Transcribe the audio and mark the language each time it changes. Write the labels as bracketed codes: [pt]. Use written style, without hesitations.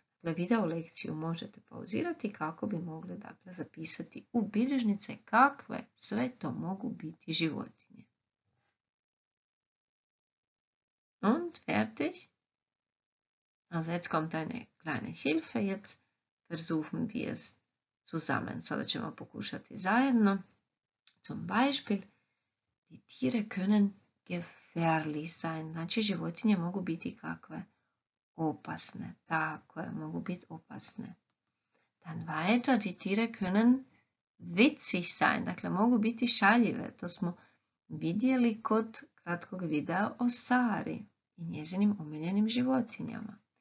[hr] Videolekciju možete pauzirati kako bi mogli dakle, zapisati u bilježnice kakve sve to mogu biti životinje. [de] Und fertig. Also jetzt kommt eine kleine Hilfe. Jetzt versuchen wir es zusammen. [hr] Sada ćemo pokušati zajedno. [de] Zum Beispiel, die Tiere können gefährlich sein. [hr] Znači, životinje mogu biti kakve. Opasne, tako je, mogu biti opasne. [de] Dann weiter, die Tiere können witzig sein, [hr] dakle mogu biti šaljive. To smo vidjeli kod kratkog videa o Sari i njezinim omiljenim životinjama.